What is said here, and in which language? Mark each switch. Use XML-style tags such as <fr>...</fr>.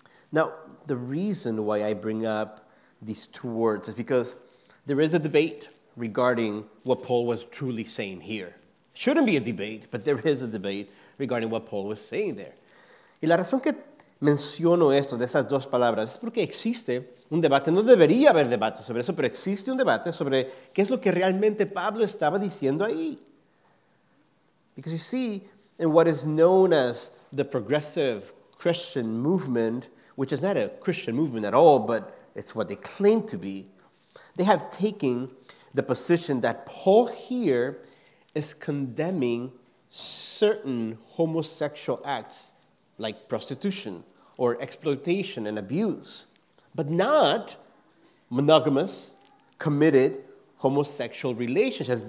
<en>Now, the reason why I bring up these two words is because there is a debate regarding what Paul was truly saying here. Shouldn't be a debate, but there is a debate regarding what Paul was saying there.</en> <es>Y la razón que menciono esto, de esas dos palabras, es porque existe un debate. No debería haber debate sobre eso, pero existe un debate sobre qué es lo que realmente Pablo estaba diciendo ahí.</es> <en>Because you see, in what is known as the progressive Christian movement, which is not a Christian movement at all, but it's what they claim to be, they have taken the position that Paul here is condemning certain homosexual acts like prostitution or exploitation and abuse, but not monogamous, committed homosexual relationships.</en>